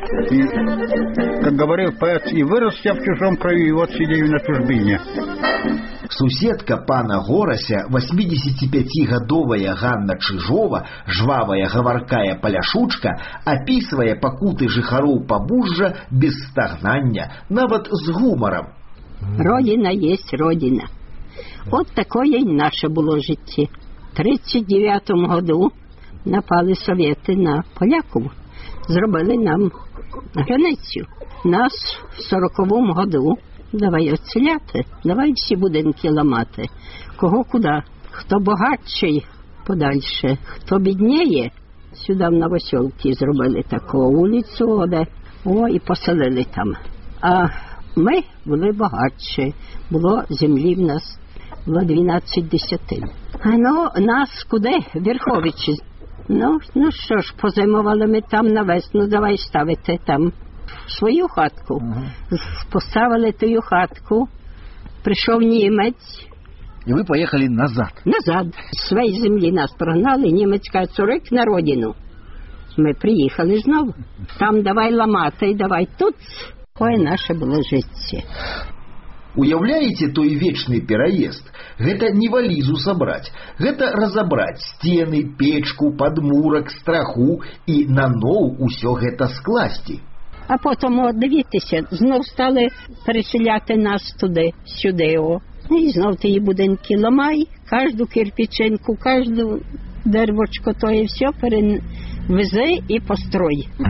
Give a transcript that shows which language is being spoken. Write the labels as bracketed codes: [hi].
[ru] І, як говорив поэт, і вырос я в чужом краю, і от сидею на чужбіне. [be] Суседка пана Горася, 85-гадовая Ганна Чыжова, жвавая гаваркая паляшучка, апісвае пакуты жыхароў Пабужжа без стагнання, нават з гумарам. [ru] Родина есть родина. Вот такое и наше было житие. В 1939 году напали советы на поляков, сделали нам границу. Нас в 1940 году давай отселяти, давай все будинки ломати. Кого куда? [uk] Хто богатший подальше, хто біднеє, сюди в Новосілки зробили таку вулицю, оде. О, і поселили там. А ми були багатші, було землі в нас, було 12 десятин. Ну, нас куди? Верховичі. Ну, що ж, позимували ми там на весну, давай ставити там свою хатку. Поставили тую хатку, прийшов німець. І ви поїхали назад? Назад. З своєї землі нас прогнали, німець каже, цурик на родину. Ми приїхали знову. Там давай ламати, давай тут. [be] Ой, наше было жыццё. Уявляеце той вечны пераезд? Гэта не валізу сабраць. Гэта разабраць стены, печку, падмурак, страху і наноў усё гэта скласці. [uk] А потом, о, дивіться, знов стали переселяти нас туди, сюди, о. І знов ті будинки ламай, кожну кирпичинку, кожну дервочко, то і все перевези і построй.